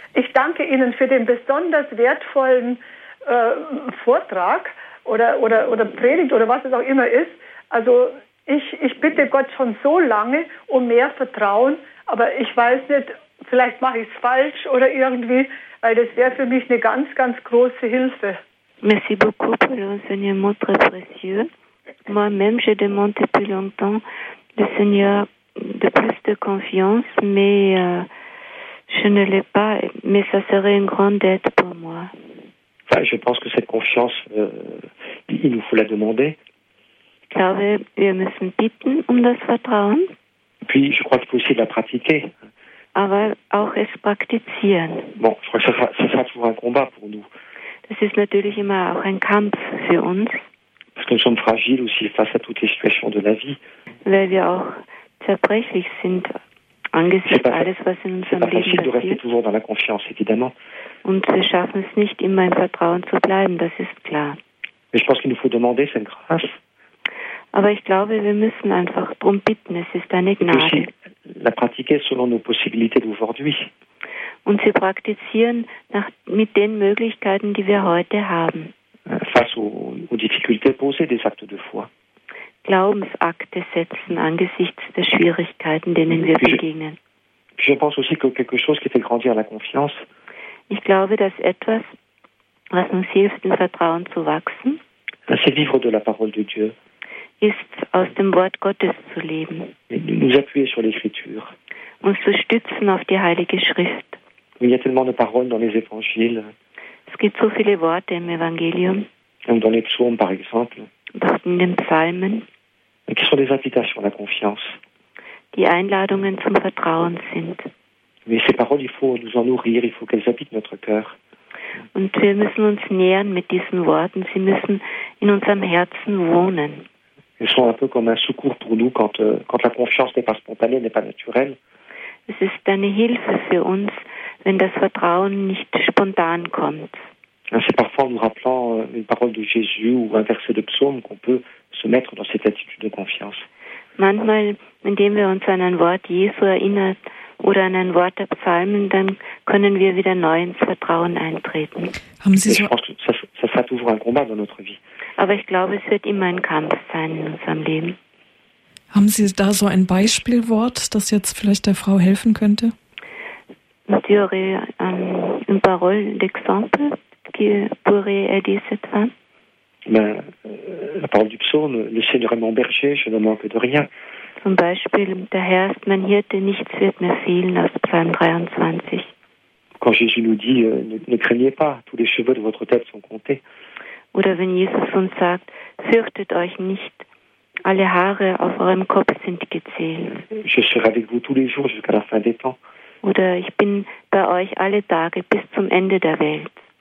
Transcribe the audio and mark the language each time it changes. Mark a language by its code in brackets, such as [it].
[de] Ich danke Ihnen für den besonders wertvollen Vortrag oder Predigt oder was es auch immer ist. Also ich bitte Gott schon so lange um mehr Vertrauen, aber ich weiß nicht, vielleicht mache ich es falsch oder irgendwie, weil das wäre für mich eine ganz, ganz große Hilfe. [fr] Merci beaucoup pour l'enseignement très précieux. Moi-même, je demande depuis longtemps le Seigneur de plus de confiance, mais je ne l'ai pas, mais ça serait une grande aide pour moi. Enfin, je pense que cette confiance, il nous faut la demander. [de] Ich glaube, wir müssen bitten um das Vertrauen. [fr] Puis, je crois qu'il faut aussi la pratiquer. [de] Aber auch es praktizieren. [fr] Bon, je crois que ça sera toujours un combat pour nous. [de] Das ist natürlich immer auch ein Kampf für uns. [fr] Parce que nous sommes fragiles aussi face à toutes les situations de la vie. [de] Weil wir auch zerbrechlich sind. Angesichts alles, was in unserem Leben passiert. [fr] C'est pas facile de rester toujours dans la confiance, évidemment. [de] Und wir schaffen es nicht, immer im Vertrauen zu bleiben, das ist klar. [fr] Mais je pense qu'il nous faut demander cette grâce. [de] Aber ich glaube, wir müssen einfach drum bitten, es ist eine Gnade. [fr] Et puis, la pratiquer selon nos possibilités d'aujourd'hui. [de] Und sie praktizieren mit den Möglichkeiten, die wir heute haben. [fr] Face aux difficultés posées des actes de foi. [de] Glaubensakte setzen angesichts der Schwierigkeiten, denen wir begegnen. [fr] Je pense aussi que quelque chose qui fait grandir la confiance. [de] Ich glaube, dass etwas, was uns hilft, im Vertrauen zu wachsen, [fr] c'est vivre de la parole de Dieu. [de] Ist, aus dem Wort Gottes zu leben. [fr] Nous appuyer sur l'Écriture. [de] Uns zu stützen auf die Heilige Schrift. [fr] Il y a tellement de paroles dans les évangiles. [de] Es gibt so viele Worte im Evangelium. [fr] Und dans les psaumes, par exemple. [de] In den Psalmen, [fr] qui sont des invitations à la confiance. [de] Die Einladungen zum Vertrauen sind. [fr] Mais ces paroles, il faut nous en nourrir, il faut qu'elles habitent notre cœur. [de] Und wir müssen uns nähern mit diesen Worten, sie müssen in unserem Herzen wohnen. [fr] Elles sont un peu comme un secours pour nous quand la confiance n'est pas spontanée, n'est pas naturelle. [de] Es ist eine Hilfe für uns, wenn das Vertrauen nicht spontan kommt. [fr] C'est parfois en nous rappelant une parole de Jésus ou un verset de psaume qu'on peut se mettre dans cette attitude de confiance. [de] Manchmal, indem wir uns an ein Wort Jesu erinnern oder an ein Wort der Psalmen, dann können wir wieder neu ins Vertrauen eintreten. Haben Sie so? [fr] Je pense que ça sera toujours un combat dans notre vie. [de] Aber ich glaube, es wird immer ein Kampf sein in unserem Leben. Haben Sie da so ein Beispielwort, das jetzt vielleicht der Frau helfen könnte? [fr] Théorie, une parole d'exemple. Qui pourrait aider cette femme? La parole du psaume, le Seigneur est mon berger, je ne manque de rien. [de] Zum Beispiel, der Herr ist mein Hirte, nichts wird mir fehlen, aus Psalm 23. [fr] Quand Jésus nous dit, ne craignez pas, tous les cheveux de votre tête sont comptés. [de] Oder wenn Jesus uns sagt, fürchtet euch nicht, Alle Haare auf eurem Kopf sind gezählt. [fr] Je serai avec vous tous les jours jusqu'à la fin des temps. [de] Oder ich bin bei euch alle Tage bis zum Ende der Welt.